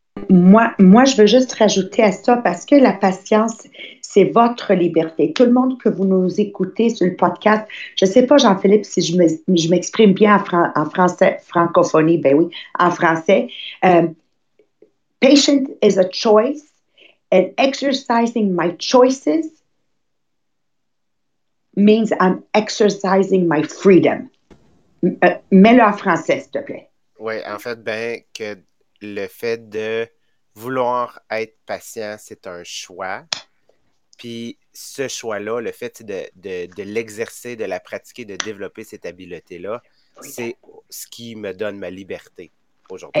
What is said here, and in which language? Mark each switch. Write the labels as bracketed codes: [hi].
[fr] Moi, je veux juste rajouter à ça parce que la patience, c'est votre liberté. Tout le monde que vous nous écoutez sur le podcast, je ne sais pas, Jean-Philippe, si je m'exprime bien en français, francophonie, ben oui, en français. [en] Patience is a choice and exercising my choices means I'm exercising my freedom. [fr] Mets-le en français, s'il te plaît. Oui, en fait, ben, que le fait de vouloir être patient, c'est un choix. Puis ce choix-là, le fait de l'exercer, de la pratiquer, de développer cette habileté-là, c'est ce qui me donne ma liberté aujourd'hui.